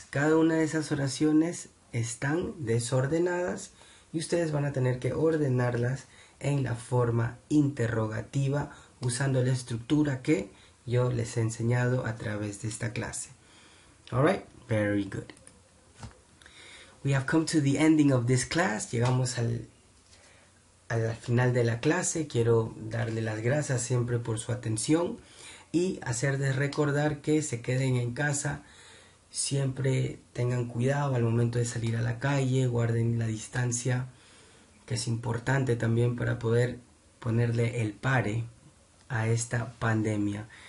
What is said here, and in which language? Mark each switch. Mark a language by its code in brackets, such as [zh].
[es] Cada una de esas oraciones están desordenadas y ustedes van a tener que ordenarlas en la forma interrogativa usando la estructura que yo les he enseñado a través de esta clase. [en] All right, very good. We have come to the ending of this class. [es] Llegamos al final de la clase. Quiero darle las gracias siempre por su atención y hacerles recordar que se queden en casa. Siempre tengan cuidado al momento de salir a la calle. Guarden la distancia, que es importante también para poder ponerle el pare a esta pandemia.